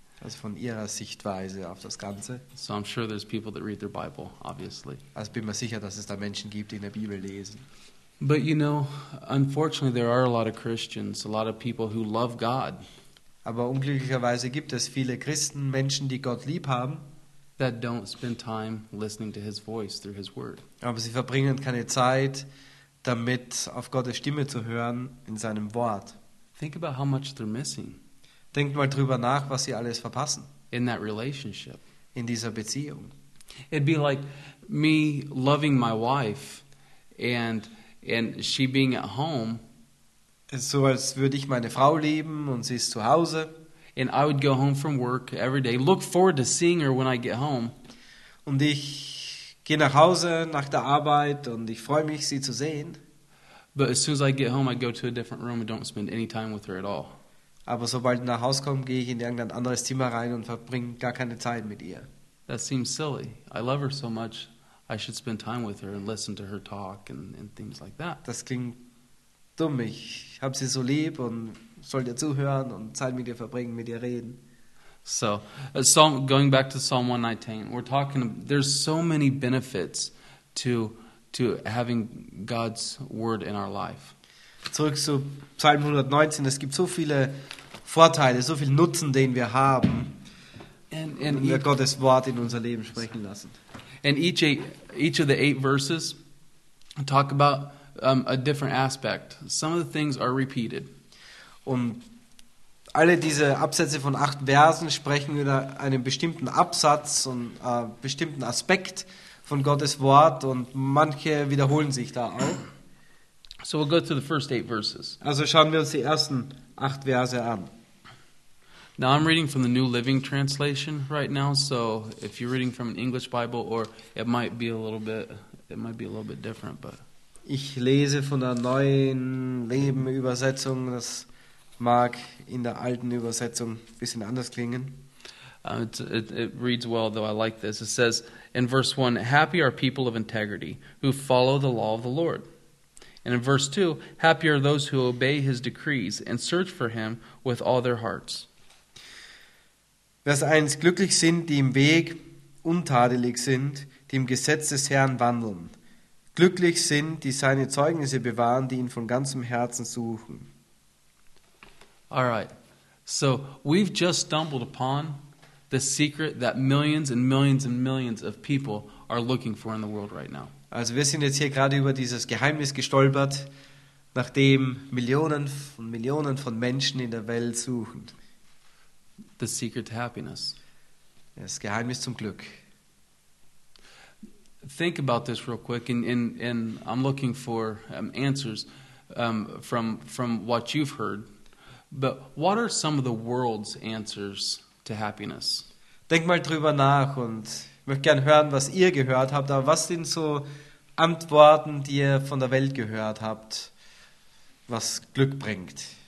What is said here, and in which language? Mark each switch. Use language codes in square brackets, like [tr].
[de] Also von ihrer Sichtweise auf das Ganze. [en] So I'm sure there's people that read their Bible, obviously. [de] Also bin mir sicher, dass es da Menschen gibt, die in der Bibel lesen. [en] But you know, unfortunately there are a lot of Christians, a lot of people who love God. [de] Aber unglücklicherweise gibt es viele Christen, Menschen, die Gott lieb haben, [en] that don't spend time listening to his voice through his word. [de] Aber sie verbringen keine Zeit damit auf Gottes Stimme zu hören in seinem Wort. [en] Think about how much they're missing. [de] Denkt mal drüber nach, was sie alles verpassen [en] in that relationship. [de] In dieser Beziehung. [en] It'd be like me loving my wife and she being at home. [de] So als würde ich meine Frau lieben und sie ist zu Hause. [en] And I would go home from work every day, look forward to seeing her when I get home. [de] Und ich gehe nach Hause nach der Arbeit und ich freue mich, sie zu sehen. [en] But as soon as I get home, I go to a different room and don't spend any time with her at all. [de] Aber sobald ich nach Hause komme, gehe ich in irgendein anderes Zimmer rein und verbringe gar keine Zeit mit ihr. [en] That seems silly. I love her so much. I should spend time with her and listen to her talk and things like that. [de] Das klingt dumm. Ich habe sie so lieb und soll dir zuhören und Zeit mit dir verbringen, mit dir reden. [en] So, Psalm, going back to Psalm 119, we're talking, there's so many benefits to having God's word in our life. [de] Zurück zu Psalm 119, es gibt so viele Vorteile, so viel Nutzen, den wir haben, [en] and [de] wenn wir Gottes Wort in unser Leben sprechen lassen. [en] And each of the eight verses talk about a different aspect. Some of the things are repeated. [de] Und alle diese Absätze von acht Versen sprechen über einen bestimmten Absatz und bestimmten Aspekt von Gottes Wort und manche wiederholen sich da auch. [en] So we'll go to the first eight verses. [de] Also schauen wir uns die ersten acht Verse an. [en] Now I'm reading from the New Living Translation right now, so if you're reading from an English Bible, or it might be a little bit It might be a little bit different, but [de] ich lese von der neuen Leben-Übersetzung, das mag in der alten Übersetzung ein bisschen anders klingen. [en] It reads well, though. I like this. It says in verse 1, happy are people of integrity who follow the law of the Lord. And in verse 2, happy are those who obey his decrees and search for him with all their hearts. [de] Vers 1, glücklich sind, die im Weg untadelig sind, die im Gesetz des Herrn wandeln. Glücklich sind, die seine Zeugnisse bewahren, die ihn von ganzem Herzen suchen. [en] All right. So, we've just stumbled upon the secret that millions and millions and millions of people are looking for in the world right now. [de] Also, wir sind jetzt hier gerade über dieses Geheimnis gestolpert, nachdem Millionen und Millionen von Menschen in der Welt suchen. [en] The secret to happiness. [de] Das Geheimnis zum Glück. [en] Think about this real quick, and I'm looking for answers from what you've heard. But what are some of the world's answers to happiness? [de] Denk mal drüber nach und ich möchte gerne hören, was ihr gehört habt. Aber was sind so Antworten, die ihr von der Welt gehört habt, was Glück bringt?